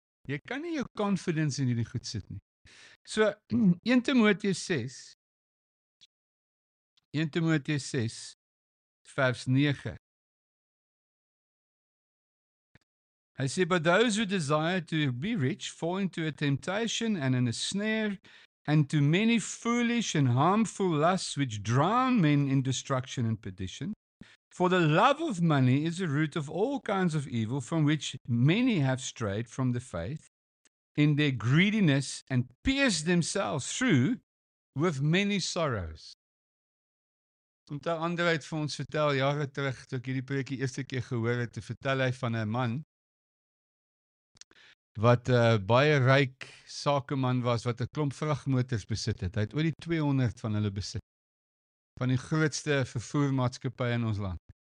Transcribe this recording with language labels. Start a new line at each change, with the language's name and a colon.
Afrikaans: Jy kan nie jou confidence in die goed sit nie.
English: So,
Afrikaans: 1 Timoteus 6, vers 9. Hy sê,
English: but those who desire to be rich fall into a temptation and in a snare and to many foolish and harmful lusts which drown men in destruction and perdition. For the love of money is the root of all kinds of evil from which many have strayed from the faith in their greediness and pierced themselves through with many sorrows.
Afrikaans: Want daar ander het vir ons vertel, jare terug, toe ek hierdie preekie eerste keer gehoor het, te vertel hy van 'n man wat baie ryk sakeman was, wat 'n klomp vragmotors besit het. Hy het oor die 200 van hulle besit, van die grootste vervoermaatskappye in ons land.